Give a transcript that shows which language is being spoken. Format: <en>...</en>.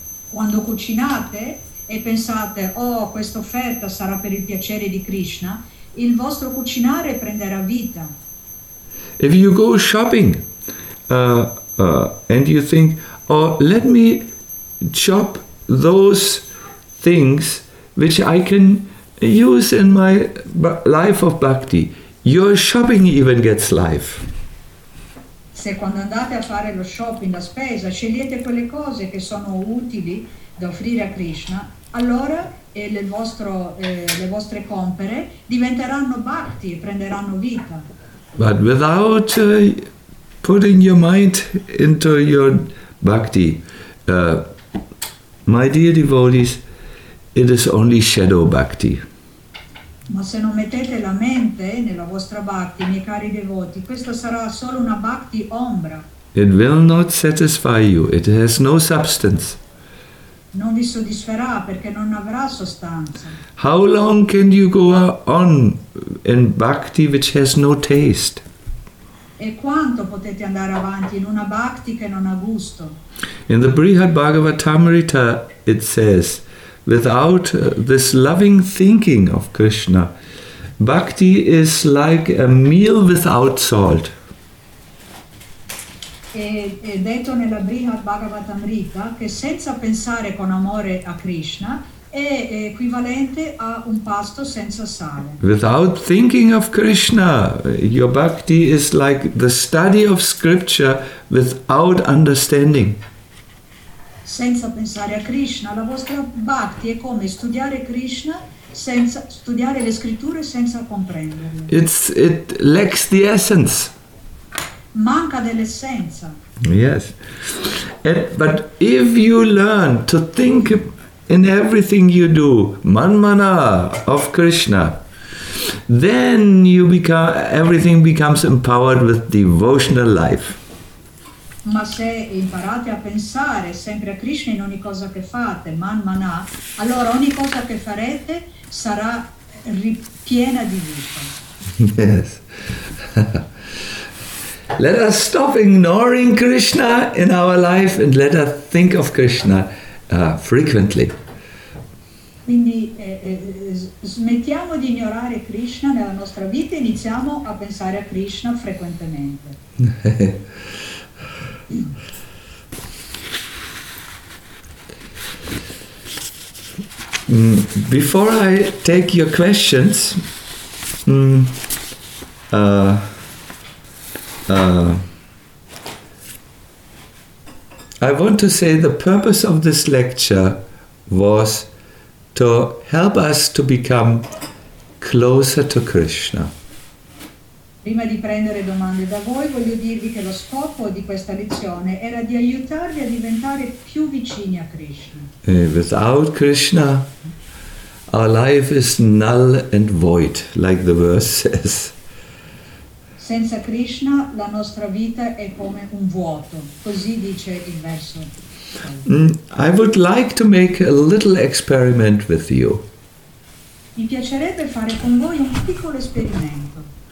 <it>Quando cucinate e pensate, oh, questa offerta sarà per il piacere di Krishna, il vostro cucinare prenderà vita.</it> <en>If you go shopping and you think, oh, let me shop those things which I can use in my life of bhakti, your shopping even gets life.</en> <it>Se quando andate a fare lo shopping, la spesa, scegliete quelle cose che sono utili da offrire a Krishna, allora le vostre compere diventeranno bhakti e prenderanno vita.</it> <en>But without putting your mind into your bhakti, my dear devotees, it is only shadow bhakti.</en> <it>Ma se non mettete la mente nella vostra bhakti, miei cari devoti, questa sarà solo una bhakti ombra.</it> <en>It will not satisfy you. It has no substance.</en> <it>Non vi soddisferà perché non avrà sostanza.</it> <en>How long can you go on in bhakti which has no taste?</en> <it>E quanto potete andare avanti in una bhakti che non ha gusto?</it> <en>In the Brihad Bhagavatamrita it says, without this loving thinking of Krishna, bhakti is like a meal without salt.</en> <it>È detto nella Brihad Bhagavatamrita che senza pensare con amore a Krishna è equivalente a un pasto senza sale.</it> <en>Without thinking of Krishna, your bhakti is like the study of scripture without understanding.</en> <it>Senza pensare a Krishna, la vostra bhakti è come studiare Krishna senza studiare le scritture senza comprenderle.</it> <en>It lacks the essence.</en> <it>Manca dell'essenza.</it> <en>Yes. But if you learn to think in everything you do, manmana of Krishna, then everything becomes empowered with devotional life.</en> <it>Ma se imparate a pensare sempre a Krishna in ogni cosa che fate, manmana, allora ogni cosa che farete sarà piena di vita.</it> <en>Yes. Let us stop ignoring Krishna in our life and let us think of Krishna frequently.</en> <it>Quindi smettiamo di ignorare Krishna nella nostra vita e iniziamo a pensare a Krishna frequentemente. Mm.</it> <en>Before I take your questions, I want to say the purpose of this lecture was to help us to become closer to Krishna.</en> <it>Prima di prendere domande da voi, voglio dirvi che lo scopo di questa lezione era di aiutarvi a diventare più vicini a Krishna.</it> <en>Without Krishna, our life is null and void, like the verse says.</en> <it>Senza Krishna, la nostra vita è come un vuoto, così dice il verso.</it> <en>I would like to make a little experiment with you.</en> <it>Mi piacerebbe fare con voi un piccolo esperimento.</it>